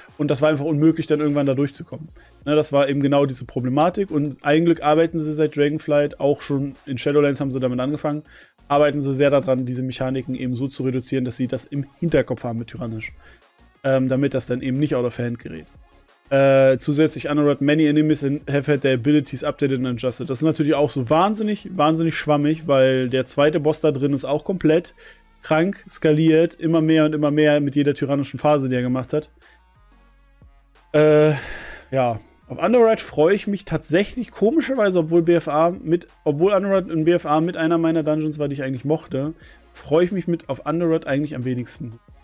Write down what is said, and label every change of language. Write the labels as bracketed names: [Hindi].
[German] Und das war einfach unmöglich, dann irgendwann da durchzukommen. Ne, das war eben genau diese Problematik. Und eigentlich arbeiten sie seit Dragonflight, auch schon in Shadowlands haben sie damit angefangen, arbeiten sie sehr daran, diese Mechaniken eben so zu reduzieren, dass sie das im Hinterkopf haben mit Tyrannisch. Damit das dann eben nicht [English] out of hand [German] gerät. Zusätzlich [English] Anorod, many enemies have had their abilities updated and adjusted. [German] Das ist natürlich auch so wahnsinnig, wahnsinnig schwammig, weil der zweite Boss da drin ist auch komplett krank, skaliert, immer mehr und immer mehr mit jeder tyrannischen Phase, die er gemacht hat. Ja, auf Anorod freue ich mich tatsächlich komischerweise, obwohl Anorod in BFA mit einer meiner Dungeons war, die ich eigentlich mochte, freue ich mich mit auf Anorod eigentlich am wenigsten.